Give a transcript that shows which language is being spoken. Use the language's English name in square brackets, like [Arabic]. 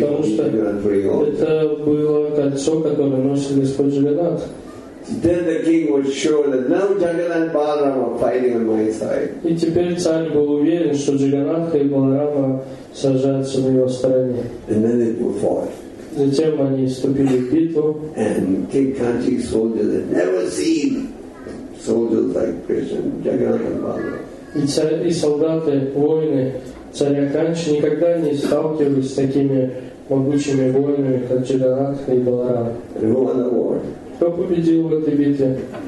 [Russian] Потому что это было кольцо, которое носил Господь Джаганнат. [English] Then the king was sure that now Jagannath and Balaram are fighting on my side. [Russian] И теперь царь был уверен, что Джаганнат и Баларама сражаются на его стороне. [English] And then they fought. [Russian] Затем они вступили в битву. [English] And King Kanchi soldiers had never seen soldiers like Krishna, Jagannath and Balaram. [Russian] И солдаты, воины царя Канчи никогда не сталкивались с такими могучими воинами, как Джаганнатх и Баларам. [English] And who won the war? [Russian] Кто победил в этой битве?